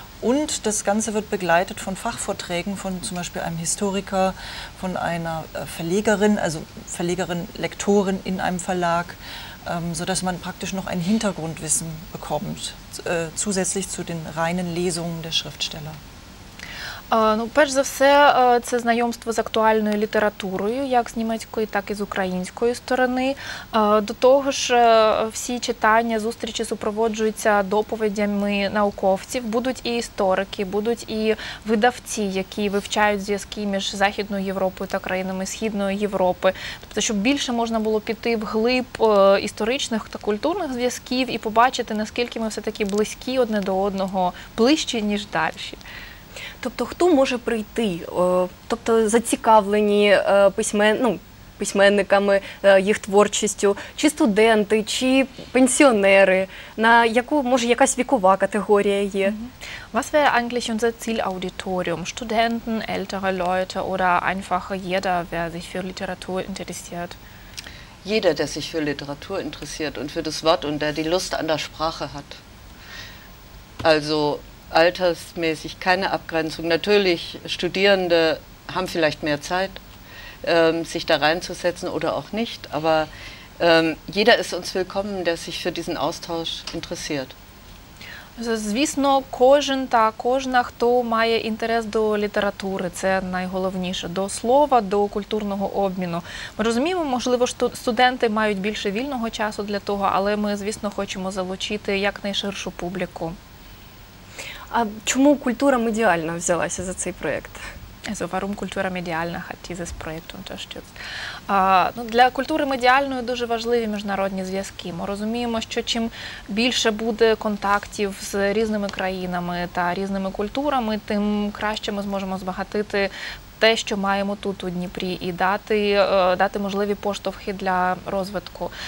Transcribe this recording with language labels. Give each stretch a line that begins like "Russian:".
German: Und das Ganze wird begleitet von Fachvorträgen von zum Beispiel einem Historiker, von einer Verlegerin, also Verlegerin, Lektorin in einem Verlag, sodass man praktisch noch ein Hintergrundwissen bekommt, zusätzlich zu den reinen Lesungen der Schriftsteller.
Ukrainian: Ну, перш за все, це знайомство з актуальною літературою, як з німецької, так і з української сторони. До того ж, всі читання, зустрічі супроводжуються доповідями науковців. Будуть і історики, будуть і видавці, які вивчають зв'язки між Західною Європою та країнами Східної Європи. Тобто, щоб більше можна було піти вглиб історичних та культурних зв'язків і побачити, наскільки ми все-таки близькі одне до одного, ближчі, ніж дальші. Тобто, хто може прийти? Тобто, зацікавлені письменниками, їх творчістю, чи студенти, чи пенсіонери, на яку, може, якась вікова категорія є?
German: Was wäre eigentlich unser Zielauditorium? Studenten, ältere Leute oder einfach jeder, wer sich für Literatur interessiert? Jeder, der sich für Literatur interessiert und für das Wort und der die Lust an der Sprache hat. Also altersmäßig keine Abgrenzung. Natürlich, Studierende haben vielleicht mehr Zeit, sich da reinzusetzen oder auch nicht, aber jeder ist uns willkommen, der sich für diesen Austausch interessiert.
Ukrainian: Also, звісно, кожен та кожна, хто має інтерес до літератури, це найголовніше, до слова, до культурного обміну. Ми розуміємо, можливо, що студенти мають більше вільного часу для того, але ми, звісно, хочемо залучити якнайширшу публіку. А чому Культура Медіальна взялася за цей проєкт?
German: Also warum Kultura Mediale hat dieses Projekt unterstützt?
Ukrainian: Для культури медіальної дуже важливі міжнародні зв'язки. Ми розуміємо, що чим більше буде контактів з різними країнами та різними культурами, тим краще ми зможемо збагатити те, що маємо тут у Дніпрі, і дати можливі поштовхи для розвитку.